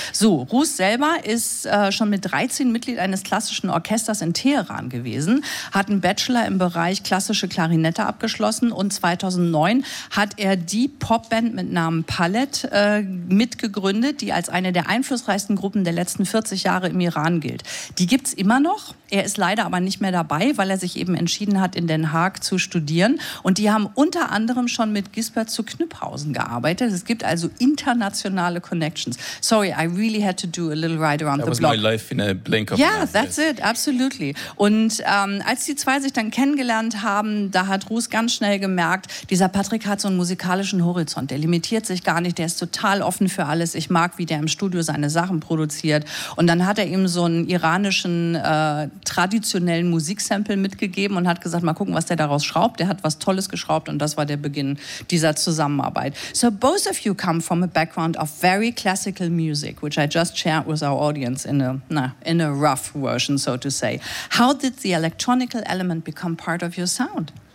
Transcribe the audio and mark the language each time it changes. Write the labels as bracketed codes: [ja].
[de] So, Rus selber ist schon mit 13 Mitglied eines klassischen Orchesters in Teheran gewesen, hat einen Bachelor im Bereich klassische Klarinette abgeschlossen und 2009 hat er die Popband mit Namen Palette mitgegründet, die als eine der einflussreichsten Gruppen der letzten 40 Jahre im Iran gilt. Die gibt's immer noch. Er ist leider aber nicht mehr dabei, weil er sich eben entschieden hat, in Den Haag zu studieren. Und die haben unter anderem schon mit Gisbert zu Knüpphausen gearbeitet. Es gibt also internationale Connections. [en] Sorry, I really had to do a little ride around the block. That was my life in a blink of Yeah, that's it, absolutely. [de] Und als die zwei sich dann kennengelernt haben, da hat Rus ganz schnell gemerkt, dieser Patrick hat so einen musikalischen Horizont. Der limitiert sich gar nicht, der ist total offen für alles. Ich mag, wie der im Studio seine Sachen produziert. Und dann hat er ihm so einen iranischen traditionellen Musiksample mitgegeben und hat gesagt, mal gucken, was der daraus schraubt. Der hat was Tolles geschraubt und das war der Beginn dieser Zusammenarbeit. [en] So both of you come from a background of very classical music, which I just shared with our audience in a rough version, so to say. How did the electronical element become part of your sound?